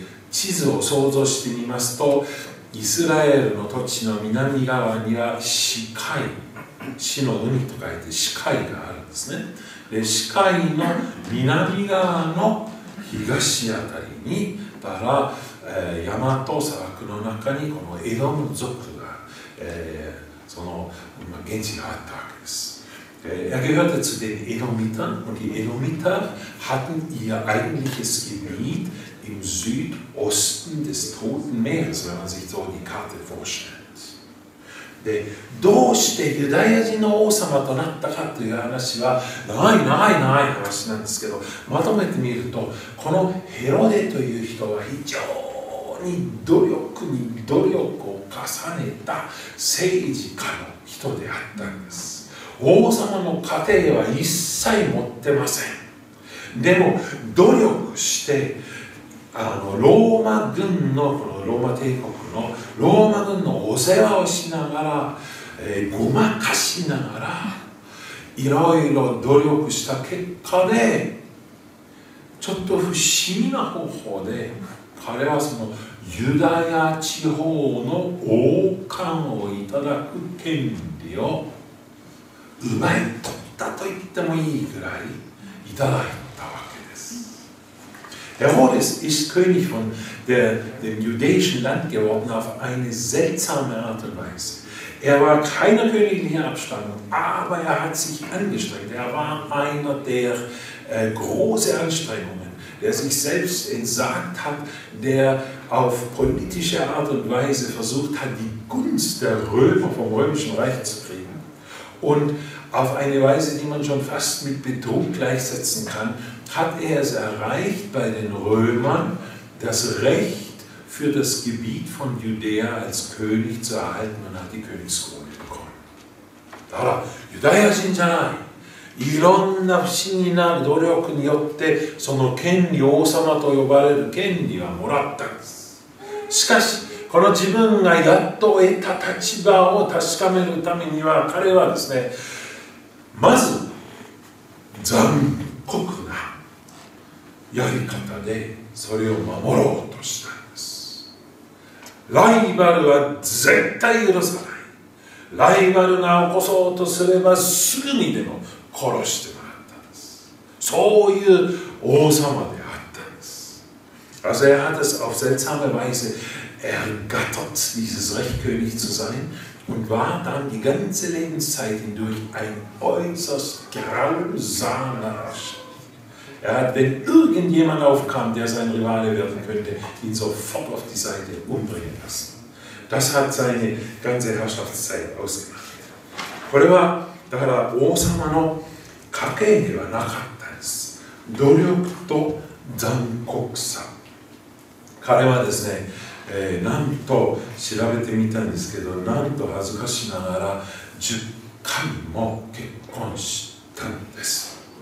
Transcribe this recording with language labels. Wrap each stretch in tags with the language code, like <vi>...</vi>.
<ja>地図を想像してみますと、イスラエルの土地の南側には死海、死の海と書いて死海があるんですね。で、死海の南側の東あたりに、だから、山と砂漠の中にこのエドム族が、その現地があったわけです。</ja> <de>Er gehörte zu den Edomitern und die Edomiter hatten ihr eigentliches Gebiet im Südosten des Toten Meeres, wenn man sich so die Karte vorstellt.</de> <ja>で、どうしてユダヤ人の王様となったかという話は、ない話なんですけど、まとめてみると、このヘロデという人は非常に努力を重ねた政治家の人であったんです。王様の家庭は一切持ってません。でも努力してあのローマ軍の、このローマ帝国のローマ軍のお世話をしながら、ごまかしながらいろいろ努力した結果で、ちょっと不思議な方法で彼はそのユダヤ地方の王冠をいただく権利を奪い取ったと言ってもいいぐらいいただいたわけです。</ja> <de>Herodes ist König von dem jüdischen Land geworden auf eine seltsame Art und Weise. Er war keine königliche Abstammung, aber er hat sich angestrengt. Er war einer der große Anstrengungen, der sich selbst entsagt hat, der auf politische Art und Weise versucht hat, die Gunst der Römer vom römischen Reich zu kriegen. Und auf eine Weise, die man schon fast mit Betrug gleichsetzen kann, hat er es erreicht, bei den Römern das Recht für das Gebiet von Judäa als König zu erhalten und hat die Königskrone bekommen. Aber Judäa sind ja nein.</de> <ja>いろんな不思議な努力によってその権利、王様と呼ばれる権利はもらったんです。しかし、この自分がやっと得た立場を確かめるためには、彼はですね、まず残酷なやり方でそれを守ろうとしたんです。ライバルは絶対許さない。ライバルが起こそうとすればすぐにでも殺してもらったんです。そういう王様であったんです。</ja> <de>Also er hat es auf seltsame Weise ergattert, dieses Rechtkönig zu sein. Und war dann die ganze Lebenszeit hindurch ein äußerst grausamer Herrscher. Er hat, wenn irgendjemand aufkam, der sein Rivale werden könnte, ihn sofort auf die Seite umbringen lassen. Das hat seine ganze Herrschaftszeit ausgemacht.</de> <ja>これはだから王様の家系ではなかったです。努力と残酷さ。彼はですね、なんと調べてみたんですけど、なんと恥ずかしながら10回も結婚したんです。</ja>